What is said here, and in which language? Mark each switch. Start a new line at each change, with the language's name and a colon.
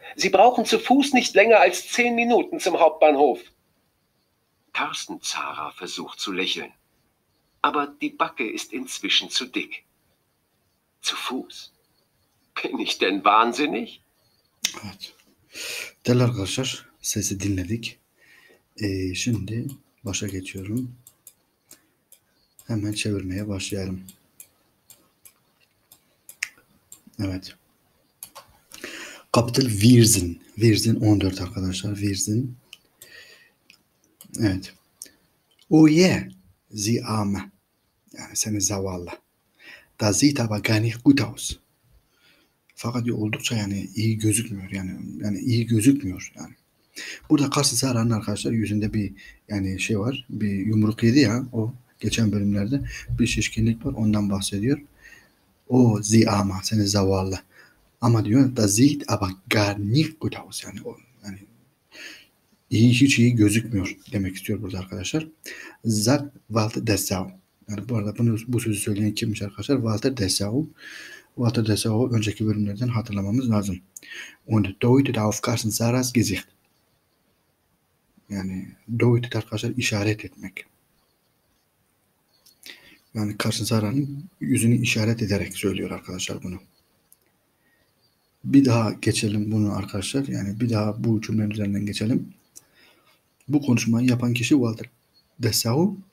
German: Sie brauchen zu Fuß nicht länger als 10 Minuten zum Hauptbahnhof. Carsten Zara versucht zu lächeln. Aber die Backe ist inzwischen zu dick. Zu Fuß. Bin ich denn wahnsinnig?
Turkish: Evet. Değerli arkadaşlar, sesi dinledik. Şimdi başa geçiyorum. Hemen çevirmeye başlayalım. Evet.
German: Kapitel Wirsin.
Turkish: Wirsin 14 arkadaşlar. Wirsin. Evet.
English: Oh yeah.
German: Sie arme.
Turkish: Yani seni zavallı.
German: Da sieht aber gar nicht gut aus.
Turkish: Fakat oldukça yani iyi gözükmüyor. Yani iyi gözükmüyor. Yani. Burada Carsten Zara'nın arkadaşlar yüzünde bir yani şey var. Bir yumruk yedi ya o geçen bölümlerde. Bir şişkinlik var, ondan bahsediyor. O
German: sie arme.
Turkish: Seni zavallı. Ama diyor
German: da sieht aber gar nicht gut aus.
Turkish: Yani o yani iyi, hiç iyi gözükmüyor demek istiyor burada arkadaşlar. Zat Walter Dessau. Yani bu arada bunu, bu sözü söyleyen kimmiş arkadaşlar? Walter Dessau. Walter Dessau önceki bölümlerden hatırlamamız lazım.
German: Und deutet auf Carsten Zara's Gesicht.
Turkish: Yani deutet arkadaşlar işaret etmek. Yani Carsten Zara'nın yüzünü işaret ederek söylüyor arkadaşlar bunu. Bir daha geçelim bunu arkadaşlar. Yani bir daha bu cümlenin üzerinden geçelim. Bu konuşmayı yapan kişi Walter Dessau.